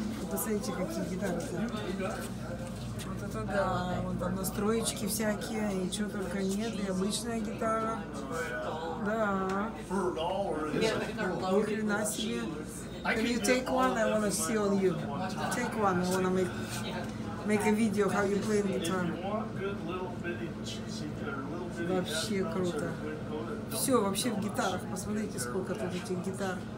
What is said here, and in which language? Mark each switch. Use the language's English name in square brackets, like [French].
[Russian] Посмотрите, какие гитары-то. Вот это да, вот там настроечки всякие, и что только нет, и обычная гитара. Да. Ни хрена себе. [English] Can you take one? I wanna see on you. Take one, I wanna make a video how you play the guitar. [Russian] Вообще круто. Все, вообще в гитарах, посмотрите, сколько тут этих гитар.